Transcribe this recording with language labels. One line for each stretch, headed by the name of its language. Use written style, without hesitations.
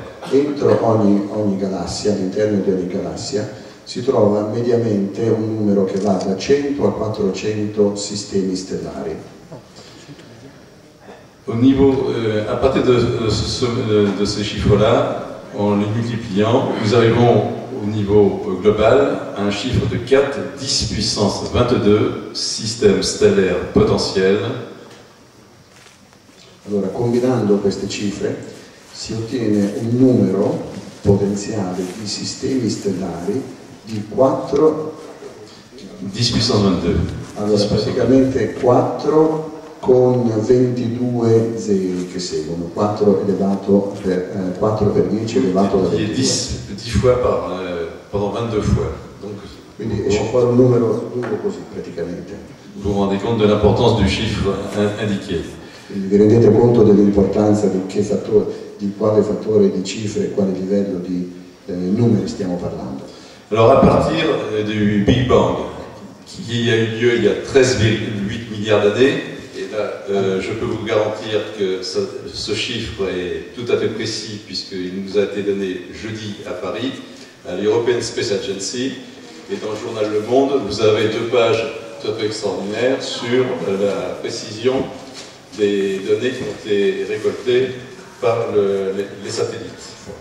Italian: Entro ogni galassia, all'interno di ogni galassia, si trova mediamente un numero che va da 100 a 400 sistemi stellari.
French: Au niveau, à partir de ces chiffres-là, en les multipliant, nous arrivons au niveau global à un chiffre de 4, 10 puissance 22 systèmes stellaires potentiels.
Italian: Allora, combinando queste cifre, si ottiene un numero potenziale di sistemi stellari di 4 10^22. Allora, praticamente 4 con 22 zeri che seguono, 4 elevato per 4 per 10 elevato da 22.
French: 10 fois par pendant 22 fois. Donc,
Italian: quindi esce fuori un numero lungo così praticamente.
French: Vous vous rendez compte de l'importance du chiffre indiqué.
Italian: Quindi vi rendete conto dell'importanza di che fattore, di quale fattore di cifre e quale livello di numeri stiamo parlando.
French: Alors à partir du Big Bang qui a eu lieu il y a 13,8 milliards d'années, et là je peux vous garantir que ce chiffre est tout à fait précis puisqu'il nous a été donné jeudi à Paris, à l'European Space Agency, et dans le journal Le Monde, vous avez deux pages tout à fait extraordinaires sur la précision des données qui ont été récoltées par les satellites.